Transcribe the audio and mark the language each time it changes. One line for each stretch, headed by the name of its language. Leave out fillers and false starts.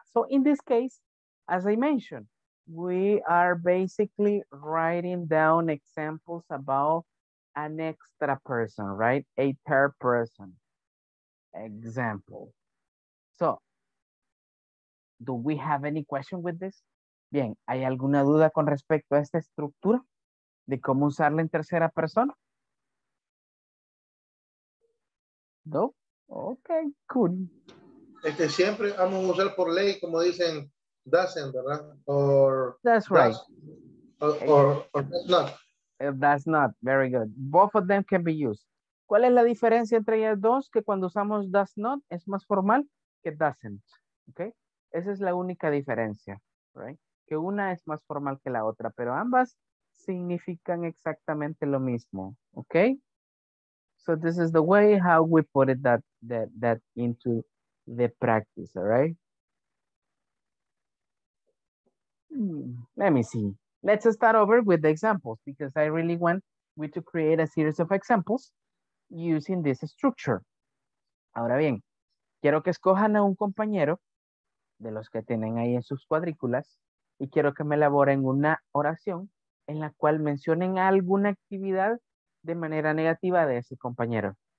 English: So in this case, as I mentioned, we are basically writing down examples about an extra person, right? A third person example. So, do we have any question with this?
Spanish: Bien, ¿hay alguna duda con respecto a esta estructura de cómo usarla en tercera persona?
English: No? Okay, cool.
Spanish: Es que siempre vamos a usar por ley, como dicen, doesn't, ¿verdad?
English: Or, that's right. Or no. That's not very good. Both of them can be used.
Spanish: ¿Cuál es la diferencia entre ellas dos? Que cuando usamos does not, es más formal que doesn't. Okay? Esa es la única diferencia. Right? Que una es más formal que la otra, pero ambas significan exactamente lo mismo.
English: Okay? So this is the way how we put it that into the practice. All right? Let me see. Let's start over with the examples because I really want we to create a series of examples using this structure.
Spanish: Ahora bien, quiero que escojan a un compañero de los que tienen ahí en sus cuadrículas y quiero que me elaboren una oración en la cual mencionen alguna actividad de manera negativa de ese compañero.